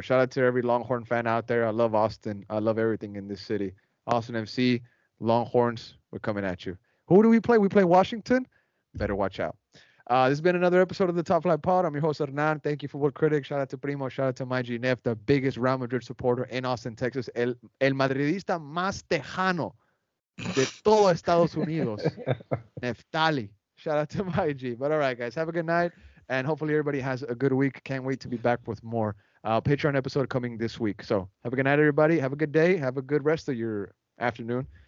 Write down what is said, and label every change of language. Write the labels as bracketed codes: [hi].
[en] Shout out to every Longhorn fan out there. I love Austin. I love everything in this city. Austin FC, Longhorns, we're coming at you. Who do we play? We play Washington? Better watch out. This has been another episode of the Top Flight Pod. I'm your host, Hernan. Thank you, Football Critic. Shout out to Primo. Shout out to my GNF, the biggest Real Madrid supporter in Austin, Texas. [es] El Madridista más tejano de todo Estados Unidos. [en] Neftali. Shout out to my G. But all right, guys, have a good night. And hopefully everybody has a good week. Can't wait to be back with more Patreon episode coming this week. So have a good night, everybody. Have a good day. Have a good rest of your afternoon.